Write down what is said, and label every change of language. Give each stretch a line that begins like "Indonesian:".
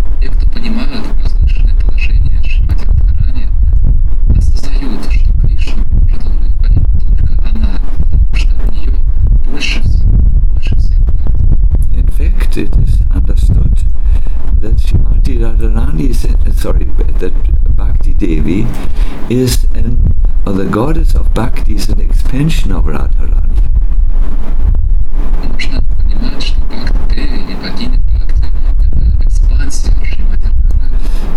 Russian: Те, кто понимают возвышенное положение Шримати Радхарани, осознают, что Кришна может удовлетворить только она, потому что у нее больше всех бхакти.
English: In fact, it is understood that Shrimati Radharani is, sorry, that Bhakti Devi is an, or the goddess of Bhakti is an expansion of Radharani.
Russian: Нужно понимать, что Бхакти Деви и богиня Бхакти – это экспансия Шримати Радхарани.